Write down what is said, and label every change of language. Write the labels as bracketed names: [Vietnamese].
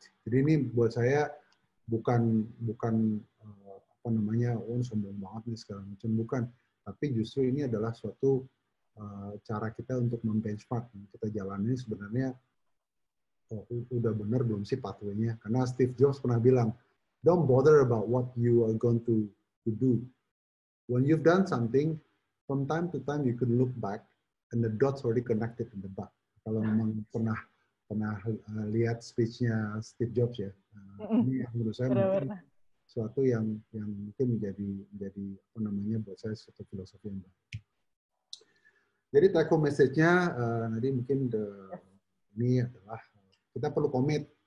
[Indonesian] Jadi ini buat saya bukan apa namanya sombong banget nih segala macam, bukan, tapi justru ini adalah suatu cara kita untuk membenchmark kita jalannya sebenarnya udah benar belum sih pathway-nya. Karena Steve Jobs pernah bilang, [English] don't bother about what you are going to do. When you've done something, from time to time you can look back and the dots already connected in the back. [Indonesian] Kalau memang pernah lihat speech-nya Steve Jobs ya. Ini yang menurut saya mungkin suatu yang mungkin menjadi apa namanya buat saya suatu filosofi yang baik. Jadi take home message-nya nanti mungkin ini adalah kita perlu komit.